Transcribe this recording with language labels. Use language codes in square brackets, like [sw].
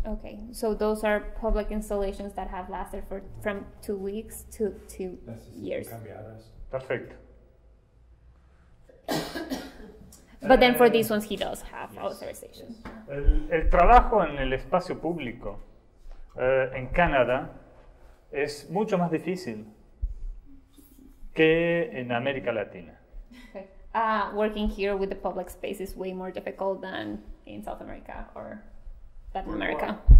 [en] Okay, so those are public installations that have lasted for from 2 weeks to 2 years. Perfect. But then for these ones, he does have authorization. Yes. [es] El trabajo en el espacio público en Canadá es mucho más difícil que en América Latina. [en] Okay. Working here with the public space is way more difficult than in South America or Latin America.